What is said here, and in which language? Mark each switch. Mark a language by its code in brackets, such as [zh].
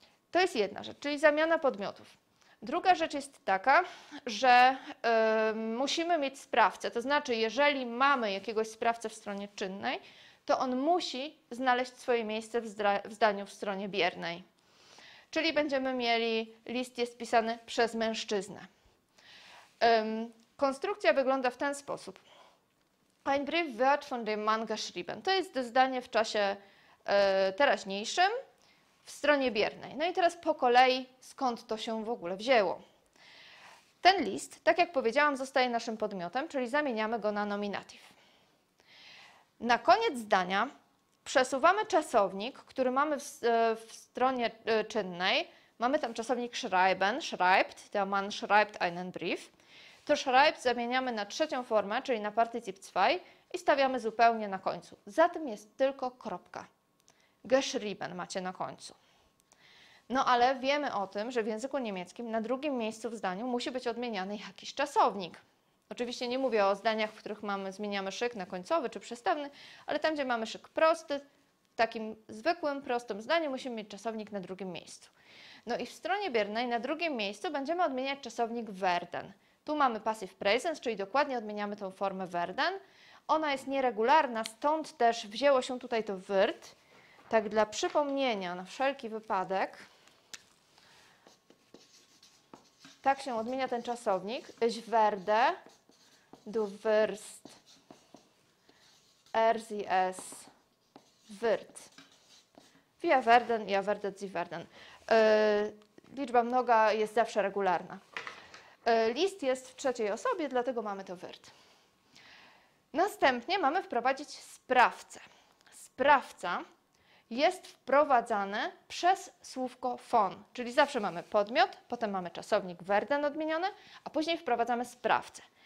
[pl] To jest jedna rzecz, czyli zamiana podmiotów. Druga rzecz jest taka, że musimy mieć sprawcę, to znaczy jeżeli mamy jakiegoś sprawcę w stronie czynnej, to on musi znaleźć swoje miejsce w zdaniu w stronie biernej. Czyli będziemy mieli, list jest pisany przez mężczyznę. Konstrukcja wygląda w ten sposób. [de] Ein Brief wird von dem Mann geschrieben. [pl] To jest zdanie w czasie teraźniejszym. W stronie biernej. No i teraz po kolei, skąd to się w ogóle wzięło. Ten list, tak jak powiedziałam, zostaje naszym podmiotem, czyli zamieniamy go na nominativ. Na koniec zdania przesuwamy czasownik, który mamy w stronie czynnej. Mamy tam czasownik [de] schreiben, schreibt, der Mann schreibt einen Brief. [pl] To schreibt zamieniamy na trzecią formę, czyli na Partizip 2 i stawiamy zupełnie na końcu. Za tym jest tylko kropka. Geschrieben macie na końcu. No ale wiemy o tym, że w języku niemieckim na drugim miejscu w zdaniu musi być odmieniany jakiś czasownik. Oczywiście nie mówię o zdaniach, w których zmieniamy szyk na końcowy czy przestawny, ale tam, gdzie mamy szyk prosty, w takim zwykłym, prostym zdaniu musimy mieć czasownik na drugim miejscu. No i w stronie biernej na drugim miejscu będziemy odmieniać czasownik werden. Tu mamy passive present, czyli dokładnie odmieniamy tą formę werden. Ona jest nieregularna, stąd też wzięło się tutaj to wird. Tak dla przypomnienia, na wszelki wypadek, tak się odmienia ten czasownik. [de] Ich werde, du wirst, er, sie, es, wird. Wir werden, ihr werdet, sie werden. [pl] Liczba mnoga jest zawsze regularna. List jest w trzeciej osobie, dlatego mamy to wird. Następnie mamy wprowadzić sprawcę. Sprawca jest wprowadzane przez słówko von, czyli zawsze mamy podmiot, potem mamy czasownik werden odmieniony, a później wprowadzamy sprawcę.